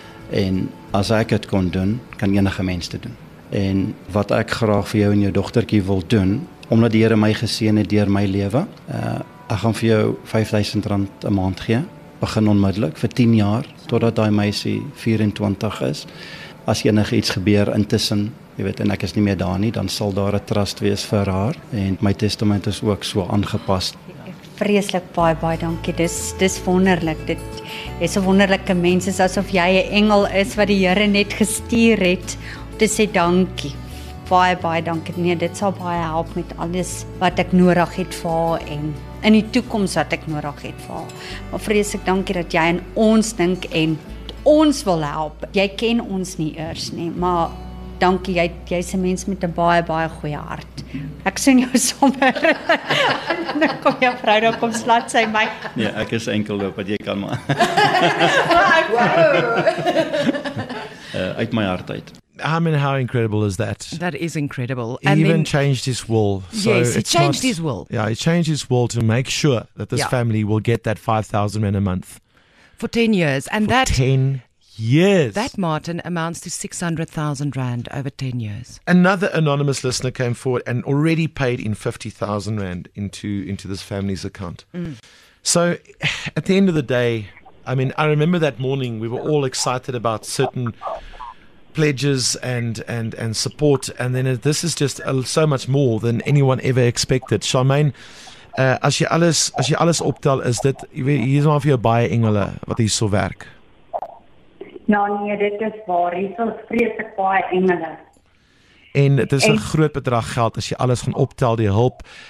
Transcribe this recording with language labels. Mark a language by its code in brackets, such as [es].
[af] En as ek het kon doen, kan enige mens dit doen. En wat ek graag vir jou en jou dogtertjie wil doen, omdat die Here my geseën het deur my lewe, ek gaan vir jou R5000 'n maand gee. Begin onmiddellik vir 10 jaar totdat daai meisie 24 is. As enige iets gebeur intussen, jy weet, en ek is nie meer daar nie, dan sal daar 'n trust wees vir haar en my testament is ook so aangepas. Vreeslik baie baie dankie. Dis wonderlik. Dit is 'n wonderlike mens, is asof jy 'n engel is wat die Here net gestuur het om te sê dankie. Baie baie dankie. Nee, dit sal baie help met alles wat ek nodig het vir haar en in die toekoms wat ek nodig het vir haar. Maar vreeslik dankie dat jy aan ons dink en ons wil help. Jy ken ons nie eers nie, maar dankie, jy's 'n mens met 'n baie baie goeie hart. Ek sien jou sommer. Nou kom jou vrou nou kom slat sy my. Nee, ek is enkel loop wat jy kan maar. uit my hart uit. [en] I mean, how incredible is that? That is incredible. And he even changed his will. So yes, he changed his will. Yeah, he changed his will to make sure that this family will get that 5,000 rand a month. For 10 years. And for that 10 years. That, Martin, amounts to 600,000 rand over 10 years. Another anonymous listener came forward and already paid in 50,000 rand into this family's account. Mm. So at the end of the day, I mean, I remember that morning we were all excited about certain pledges and support, and then this is just so much more than anyone ever expected. [af] Charmaine, as jy alles optel, is dit hier is maar vir jou baie engele wat hier so werk. Ja, nee, dit is waar. Hier is vreeslik baie engele. En dit is 'n groot bedrag geld as jy alles gaan optel, die hulp.